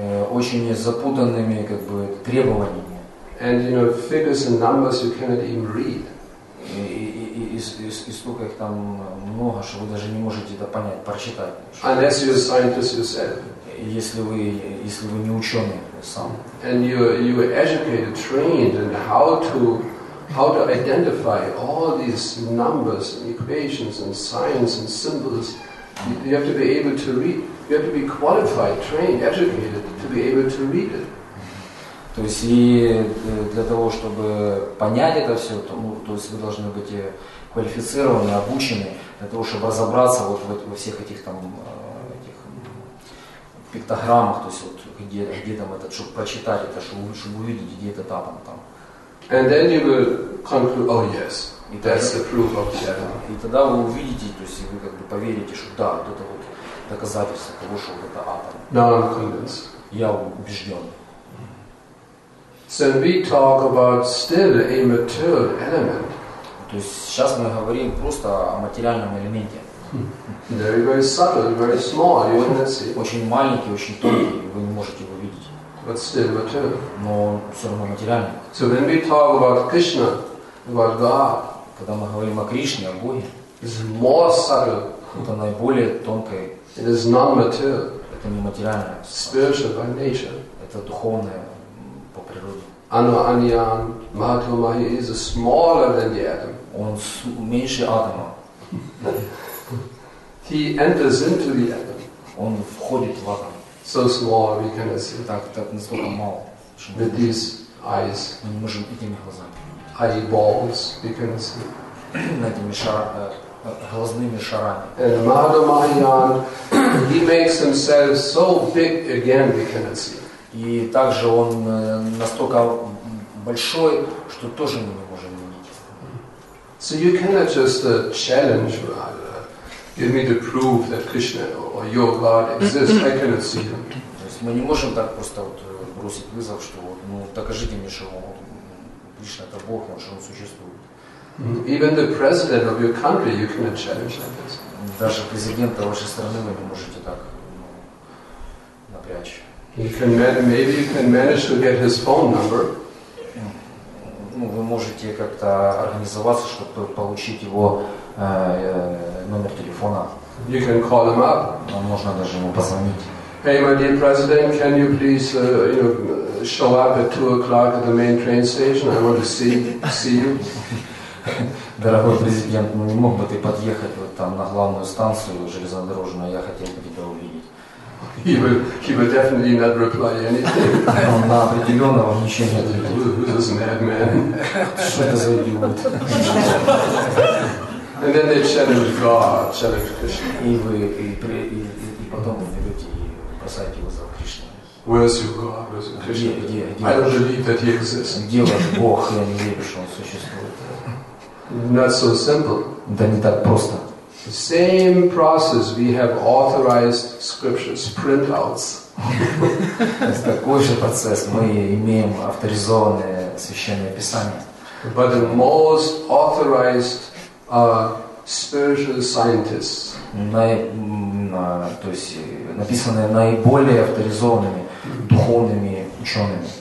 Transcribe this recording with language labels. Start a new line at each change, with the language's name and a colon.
Russian: Очень запутанными как бы требованиями.
English: And you know figures and numbers you cannot even read.
Russian: И сколько их там много, что вы даже не можете это понять, прочитать.
English: Unless you're a scientist yourself.
Russian: Если вы не ученый сам.
English: And you are educated, trained in how to identify all these numbers and equations and signs and symbols. You have to be able to read. You have to be qualified, trained, educated to be able to read it.
Russian: То есть и для того, чтобы понять это все, то есть вы должны быть квалифицированы, обучены для того, чтобы разобраться вот во всех этих там этих пиктограммах, то есть вот где там этот, чтобы прочитать это, чтобы увидеть, где этот атом там.
English: And then you will conclude, oh yes, that's the proof of the atom.
Russian: И тогда вы увидите, то есть вы как бы поверите, что да, вот это вот доказательство того, что вот это атом.
English: No, I'm convinced.
Russian: Я убежден.
English: So we talk about still a material element.
Russian: То есть сейчас мы говорим просто о материальном элементе.
English: Very, very subtle, very small. You cannot see.
Russian: Очень маленький, очень тонкий. Вы не можете его видеть.
English: But still material.
Russian: Но все равно материальный.
English: So when we talk about Krishna, about God,
Russian: когда мы говорим о Кришне, о Боге,
English: it's more subtle.
Russian: Это наиболее тонкое.
English: It is non-material.
Russian: Это не материальное.
English: Spiritual by nature.
Russian: Это духовное.
Sanskrit: Ano Anyan Mahato Mahi
English: is smaller than the atom.
Russian: Он меньше атома.
English: He enters into the atom.
Russian: Он входит в атом.
English: So small we cannot see.
Russian: Так настолько мал.
English: With these eyes.
Russian: Мы не можем этими глазами.
English: Eyeballs we cannot see.
Russian: Этими глазными шарами.
English: And Mahato Mahiyan, he makes himself so big again we cannot see.
Russian: И также он настолько большой, что тоже мы не можем увидеть.
English: So you cannot just challenge, give me the proof that Krishna or your God exists. I cannot see him.
Russian: То есть мы не можем так просто вот бросить вызов, что вот, ну докажите мне, что Кришна это Бог, что он существует.
English: Even the president of your country, you cannot challenge like this.
Russian: Даже президента вашей страны вы не можете так напрячь.
English: You can maybe you can manage to get his phone number.
Russian: Ну, вы можете как-то организоваться, чтобы получить его номер телефона.
English: You can call him up.
Russian: Можно даже ему позвонить.
English: Hey, my dear president, can you please, you know, show up at 2 o'clock at the main train station? I want to see you.
Russian: Дорогой президент, ну не мог бы ты подъехать вот там на главную станцию железнодорожную? Я хотел бы тебя увидеть.
English: He will definitely not reply anything.
Russian: Он на определенно вам ничего не ответит.
English: Who's mad man?
Russian: Что это за идиот?
English: And then they chatted with God, chatted with Krishna.
Russian: И потом вы берете и бросаете его за Кришну.
English: Where's your God? Where's your Krishna?
Russian: Где?
English: I don't believe that he exists.
Russian: Где ваш Бог? Я не верю, что он существует.
English: Not so simple.
Russian: Да не так просто.
English: The same process we have authorized scriptures, printouts.
Russian: Такой же процесс. Мы имеем авторизованное священное писание.
English: But the most authorized spiritual scientists.
Russian: То есть написанные наиболее авторизованными духовными учеными.